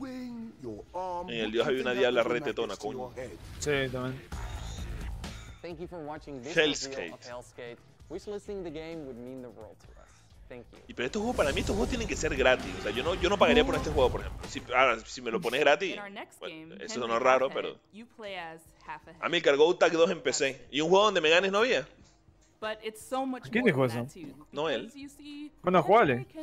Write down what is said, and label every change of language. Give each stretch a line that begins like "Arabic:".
Spanish: En el dios había una diabla re tetona, coño. Sí, también.
English: Thank you for watching this Hellskate video of Hellskate. Wish listing the game would mean the world to us. Thank you.
Spanish: Y pero estos juegos, para mí estos juegos tienen que ser gratis. O sea, yo no pagaría por este juego, por ejemplo. Si me lo pones gratis, bueno, eso no es raro, pero. A mí cargó Tag 2 en PC. ¿Y un juego donde me ganes novia? ¿Quién dijo eso? Noel. Bueno, jugale.